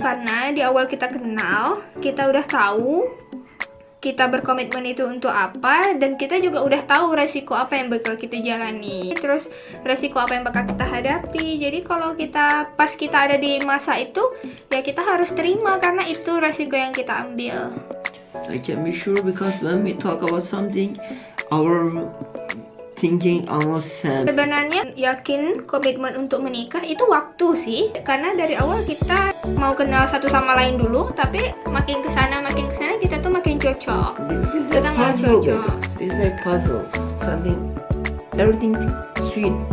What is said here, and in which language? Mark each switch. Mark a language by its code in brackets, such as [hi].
[id] Karena di awal kita kenal, kita udah tahu kita berkomitmen itu untuk apa, dan kita juga udah tahu resiko apa yang bakal kita jalani, terus resiko apa yang bakal kita hadapi. Jadi kalau kita pas kita ada di masa itu, ya kita harus terima karena itu resiko yang kita ambil. [en] I can be sure because when we talk about something, our thinking almost same. [id] Sebenarnya yakin komitmen untuk menikah itu waktu sih, karena dari awal kita mau kenal satu sama lain dulu, tapi makin kesana kita tuh makin cocok. Kita nggak cocok. [en] It's like puzzle, something, everything sweet.